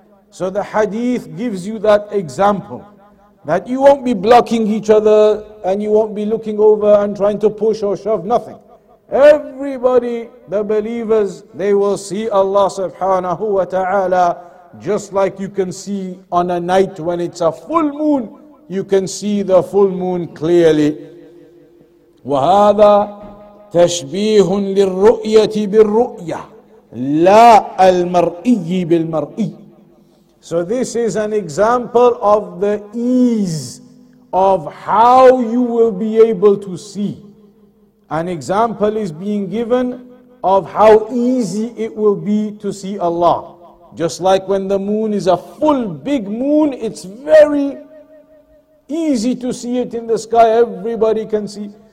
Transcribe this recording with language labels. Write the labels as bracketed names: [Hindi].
[English] So the hadith gives you that example, that you won't be blocking each other and you won't be looking over and trying to push or shove, nothing. Everybody, the believers, they will see Allah subhanahu wa ta'ala just like you can see on a night when it's a full moon. You can see the full moon clearly. [Arabic] وهذا تشبيه للرؤية بالرؤية لا المرئي بالمرئي. [English] So this is an example of the ease of how you will be able to see. An example is being given of how easy it will be to see Allah. Just like when the moon is a full big moon, it's very easy to see it in the sky, everybody can see.